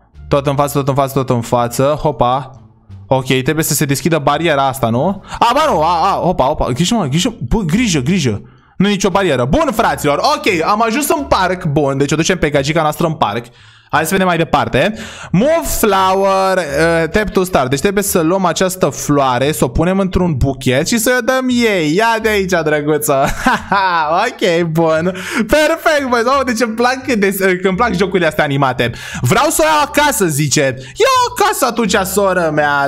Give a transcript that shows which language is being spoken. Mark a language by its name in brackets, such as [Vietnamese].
[Romanian] Tot în față, tot în față, tot în față. Hopa. Ok, trebuie să se deschidă bariera asta, nu? A, bă, nu, a, hopa, hopa. Grijă, mă, grijă, bă, grijă, grijă. Nu e nicio barieră. Bun, fraților, ok, am ajuns în parc. Bun, deci o ducem pe gagica noastră în parc. Hai să vedem mai departe. [English] Move flower, tap to start. [Romanian] Deci trebuie să luăm această floare, să o punem într-un buchet și să o dăm ei. Ia de aici, drăguță. Ok, bun. Perfect, băi, oh, deci îmi plac jocurile astea animate. Vreau să o iau acasă, zice. Ia acasă atunci, soră mea.